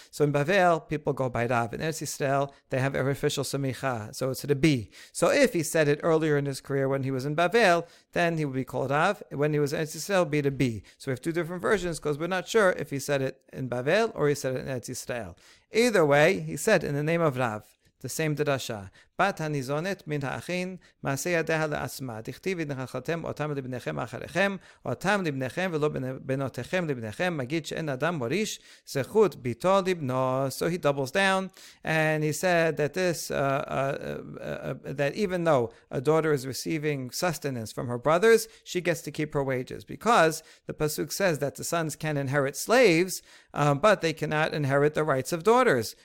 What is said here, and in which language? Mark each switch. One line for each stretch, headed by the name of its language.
English: So in Bavel, people go by Rav. In Eretz Yisrael, they have an official semicha, so it's Rabbi. So if he said it earlier in his career when he was in Bavel, then he would be called Rav. When he was in Eretz Yisrael, be Rabbi. So we have two different versions, because we're not sure if he said it in Bavel or he said it in Eretz Yisrael. Either way, he said in the name of Rav, the same Dadasha.
Hebrew: בת הניזונת מן האחין, מעשה ידיה לעצמה. דכתיב את נחלתם אותם לבניכם אחריכם, אותם לבניכם ולא בנותיכם לבניכם. מגיד שאין אדם מוריש, זכות ביתו לבנו.
English: So he doubles down, and he said that this, that even though a daughter is receiving sustenance from her brothers, she gets to keep her wages. Because the pasuk says that the sons can inherit slaves, but they cannot inherit the rights of daughters.